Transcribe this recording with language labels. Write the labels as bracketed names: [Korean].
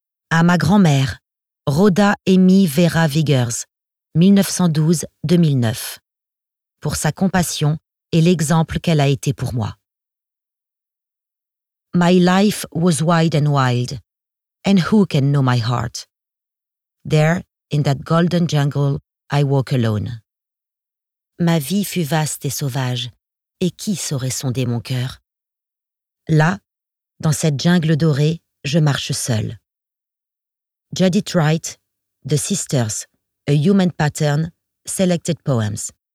[French] À ma grand-mère, Rhoda Amy Vera Viggers, 1912-2009, pour sa compassion et l'exemple qu'elle a été pour moi. [English] My life was wide and wild, and who can know my heart? There, in that golden jungle, I walk alone. [French] Ma vie fut vaste et sauvage, et qui saurait sonder mon cœur? Là, dans cette jungle dorée, je marche seule. [English] Judith Wright, The Sisters, A Human Pattern, Selected Poems.